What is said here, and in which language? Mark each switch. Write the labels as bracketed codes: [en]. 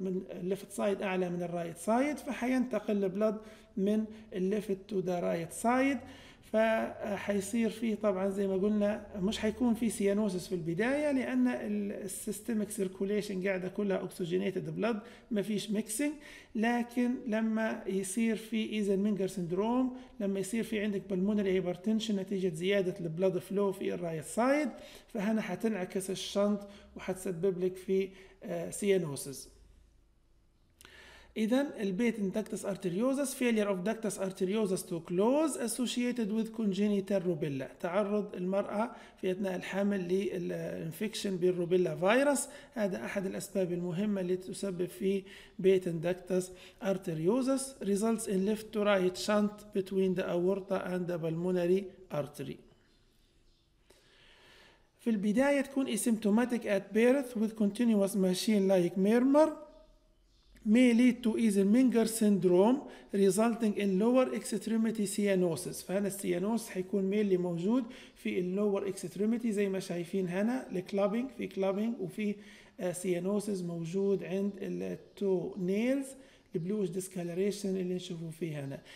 [ar] الليفت سايد، اعلى من الرايت سايد، فحينتقل البلد من الليفت تو ذا رايت سايد، فحيصير فيه طبعا زي ما قلنا مش حيكون فيه سيانوسس في البداية لأن السيستميك سيركوليشن قاعدة كلها أكسوجينيتد بلد ما فيش ميكسينج، لكن لما يصير فيه إيزنمنجر سيندروم، لما يصير فيه عندك بلمونري هايبرتنشن نتيجة زيادة البلد فلو في الرايت سايد، فهنا حتنعكس الشنط وحتسبب لك في سيانوسس. إذن البيت انتكتس أرتريوزس، [en] failure of ductus arteriosus to close associated with congenital rubella، [ar] تعرض المرأة في أثناء الحمل للإنفكشن بالروبيلا فيروس، هذا أحد الأسباب المهمة اللي تسبب في بيت انتكتس أرتريوزس، [en] results in left to right shunt between the aorta and the pulmonary artery. [ar] في البداية تكون [en] asymptomatic at birth with continuous machine like murmur may lead to Eisenmenger syndrome resulting in lower extremity cyanosis، [ar] فهنا السيانوسس حيكون ميلي موجود في اللور اكستريميتي زي ما شايفين هنا الكلابينج، في كلابينج وفي سيانوسس موجود عند التو نيلز البلوش ديسكالريشن اللي نشوفه فيه هنا.